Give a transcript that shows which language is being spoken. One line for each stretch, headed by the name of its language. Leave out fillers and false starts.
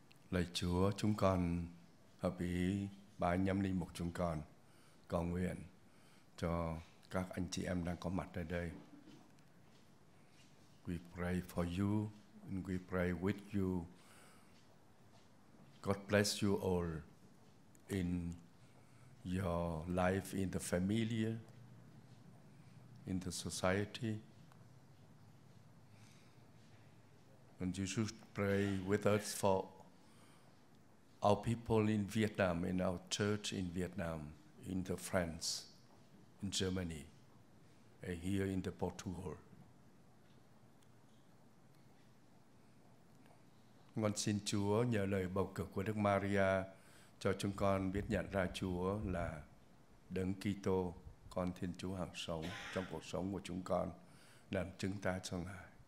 Vietnamese: Lạy Chúa, chúng con hợp ý ba anh em linh mục chúng con cầu nguyện cho các anh chị em đang có mặt ở đây.
English: We pray for you and we pray with you. God bless you all in your life, in the family, in the society. And you should pray with us for our people in Vietnam, in our church in Vietnam, in the France, in Germany, and here in the Portugal.
Vietnamese: Con xin Chúa nhờ lời bầu cử của Đức Maria cho chúng con biết nhận ra Chúa là Đấng Kitô, con Thiên Chúa hằng sống trong cuộc sống của chúng con, làm chứng ta cho Ngài.